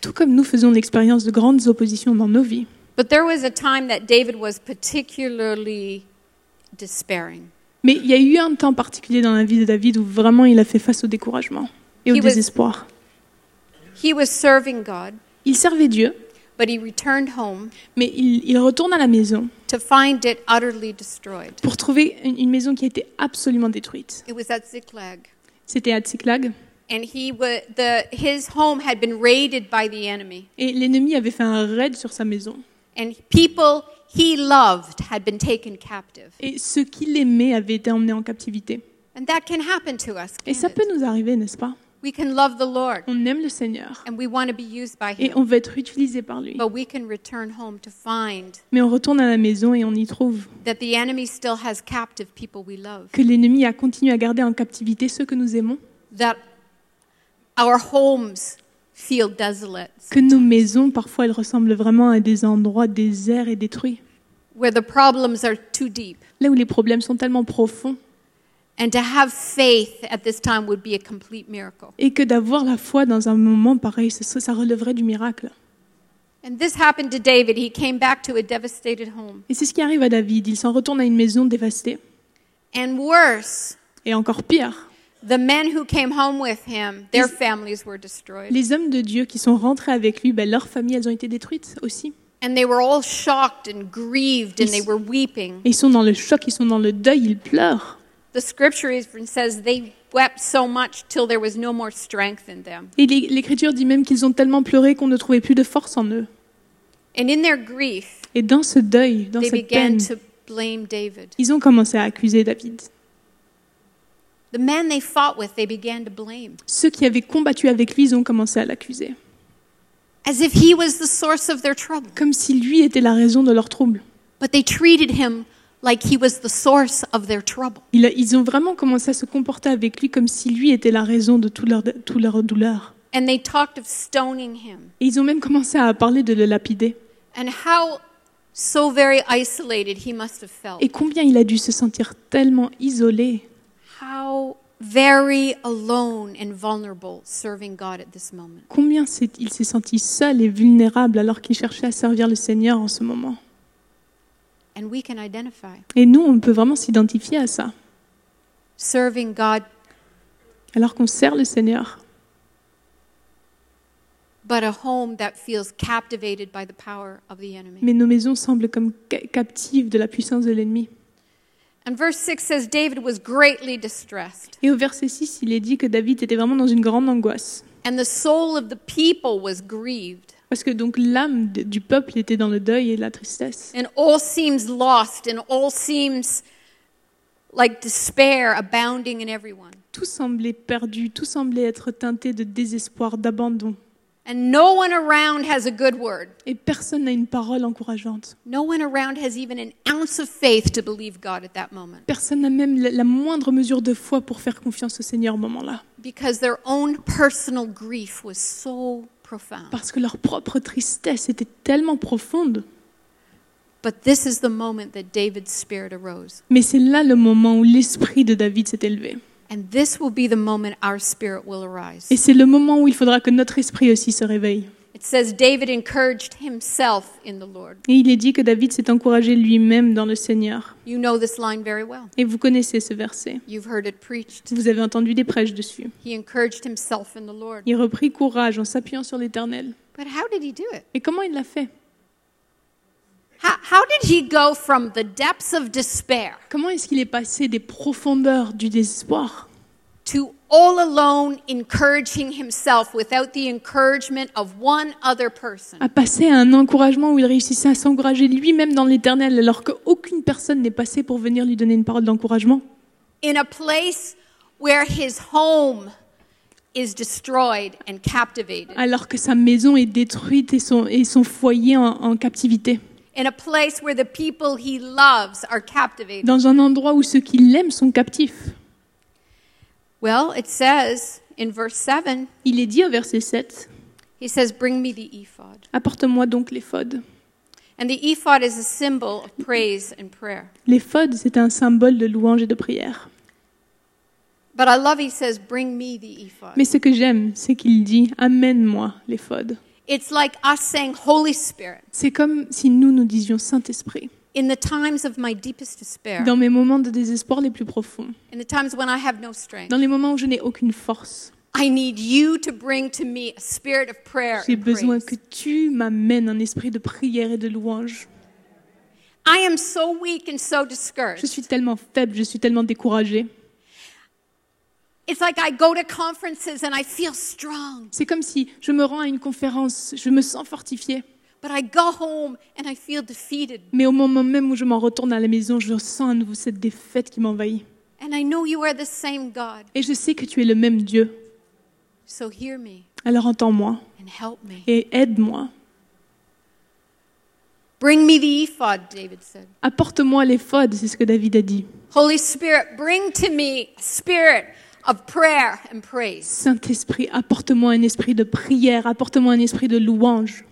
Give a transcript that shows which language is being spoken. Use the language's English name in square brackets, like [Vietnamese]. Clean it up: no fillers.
[French] Tout comme nous faisons l'expérience de grandes oppositions dans nos vies. [English] But there was a time that David was particularly despairing. [French] Mais il y a eu un temps particulier dans la vie de David où vraiment il a fait face au découragement et au désespoir. [English] He was serving God, [French] il servait Dieu, [English] but he returned home, [French] mais il retourne à la maison [English] to find it utterly destroyed. [French] Pour trouver une maison qui a été absolument détruite. [English] It was at Ziklag. [French] C'était à Ziklag. [English] And his home had been raided by the enemy. [French] Et l'ennemi avait fait un raid sur sa maison. [English] And people he loved had been taken captive. [French] Et ceux qu'il aimait avaient été emmenés en captivité. [English] And that can happen to us, can't it? [French] Et ça peut nous arriver, n'est-ce pas? [English] We can love the Lord. [French] On aime le Seigneur. [English] And we want to be used by him. [French] Et on veut être utilisé par lui. [English] But we can return home to find. [French] Mais on retourne à la maison et on y trouve. [English] That the enemy still has captive people we love. [French] Que l'ennemi a continué à garder en captivité ceux que nous aimons. [English] That our homes feel desolate. [French] Que nos maisons parfois elles ressemblent vraiment à des endroits déserts et détruits. [English] Where the problems are too deep. [French] Là où les problèmes sont tellement profonds. [English] And to have faith at this time would be a complete miracle. [French] Et que d'avoir la foi dans un moment pareil, ça relèverait du miracle. [English] And this happened to David. He came back to a devastated home. [French] Et c'est ce qui arrive à David, il s'en retourne à une maison dévastée. [English] And worse. [French] Et encore pire. [English] The men who came home with him, their families were destroyed. [French] Les hommes de Dieu qui sont rentrés avec lui, ben leurs familles, elles ont été détruites aussi. [English] And they were all shocked and grieved, and they were weeping. [French] Ils sont dans le choc, ils sont dans le deuil, ils pleurent. [English] The scripture even says they wept so much till there was no more strength in them. [French] Et l'Écriture dit même qu'ils ont tellement pleuré qu'on ne trouvait plus de force en eux. [English] And in their grief, [French] et dans ce deuil, dans cette peine, [English] they began to blame David. [French] Ils ont commencé à accuser David. [English] The men they fought with, they began to blame. [French] Ceux qui avaient combattu avec lui, ils ont commencé à l'accuser. [English] As if he was the source of their trouble. [French] Comme si lui était la raison de leur trouble. [English] But they treated him like he was the source of their trouble. [French] Ils ont vraiment commencé à se comporter avec lui comme si lui était la raison de toute leur douleur. [English] And they talked of stoning him. [French] Et ils ont même commencé à parler de le lapider. [English] And how so very isolated he must have felt. [French] Et combien il a dû se sentir tellement isolé. [English] How very alone and vulnerable serving God at this moment. [French] Combien il s'est senti seul et vulnérable alors qu'il cherchait à servir le Seigneur en ce moment. [English] And we can identify. [French] Et nous, on peut vraiment s'identifier à ça. [English] Serving God. [French] Alors qu'on sert le Seigneur. [English] But a home that feels captivated by the power of the enemy. [French] Mais nos maisons semblent comme captives de la puissance de l'ennemi. [English] And verse 6 says David was greatly distressed. [French] Et au verset 6, il est dit que David était vraiment dans une grande angoisse. [English] And the soul of the people was grieved. [French] Parce que donc l'âme du peuple était dans le deuil et la tristesse. [English] And all seems lost and all seems like despair abounding in everyone. [French] Tout semblait perdu, tout semblait être teinté de désespoir, d'abandon. [English] And no one around has a good word. [French] Et personne n'a une parole encourageante. [English] No one around has even an ounce of faith to believe God at that moment. [French] Personne n'a même la moindre mesure de foi pour faire confiance au Seigneur au moment-là. [English] Because their own personal grief was so profound. [French] Parce que leur propre tristesse était tellement profonde. [English] But this is the moment that David's spirit arose. [French] Mais c'est là le moment où l'esprit de David s'est élevé. [English] And this will be the moment our spirit will arise. [French] Et c'est le moment où il faudra que notre esprit aussi se réveille. [English] It says David encouraged himself in the Lord. [French] Et il est dit que David s'est encouragé lui-même dans le Seigneur. [English] You know this line very well. [French] Et vous connaissez ce verset. [English] You've heard it preached. [French] Vous avez entendu des prêches dessus. [English] He encouraged himself in the Lord. [French] Il reprit courage en s'appuyant sur l'Éternel. [English] But how did he do it? [French] Et comment il l'a fait? [English] How did he go from the depths of despair? [French] Comment est-ce qu'il est passé des profondeurs du désespoir? [English] To all alone encouraging himself without the encouragement of one other person. [French] À passer à un encouragement où il réussissait à s'encourager lui-même dans l'Éternel alors qu'aucune personne n'est passée pour venir lui donner une parole d'encouragement. [English] In a place where his home is destroyed and captivated. [French] Alors que sa maison est détruite et son foyer en captivité. [English] In a place where the people he loves are captivated. [French] Dans un endroit où ceux qu'il aime sont captifs. [English] Well, it says in verse 7. [French] Il est dit au verset 7. [English] He says, "Bring me the ephod." [French] Apporte-moi donc l'éphod. [English] And the ephod is a symbol of praise and prayer. [French] L'éphod, c'est un symbole de louange et de prière. [English] But I love he says, "Bring me the ephod." [French] Mais ce que j'aime, c'est qu'il dit, "Amène-moi l'éphod." [English] It's like us saying Holy Spirit. [French] C'est comme si nous disions Saint-Esprit. [English] In the times of my deepest despair. [French] Dans mes moments de désespoir les plus profonds. [English] In the times when I have no strength. [French] Dans les moments où je n'ai aucune force. [English] I need you to bring to me a spirit of prayer. [French] J'ai besoin que tu m'amènes un esprit de prière et de louange. [English] I am so weak and so discouraged. [French] Je suis tellement faible, je suis tellement découragée. [English] It's like I go to conferences and I feel strong. [French] C'est comme si je me rends à une conférence, je me sens fortifiée. [English] But I go home and I feel defeated. [French] Mais au moment même où je m'en retourne à la maison, je sens à nouveau cette défaite qui m'envahit. [English] And I know you are the same God. [French] Et je sais que tu es le même Dieu. [English] So hear me. [French] Alors entends-moi. [English] And help me. [French] Et aide-moi. [English] Bring me the ephod, David said. [French] Apporte-moi l'éphod, c'est ce que David a dit. [English] Holy Spirit, bring to me spirit of prayer and praise. [French] Saint-Esprit, apporte-moi un esprit de prière, apporte-moi un esprit de louange.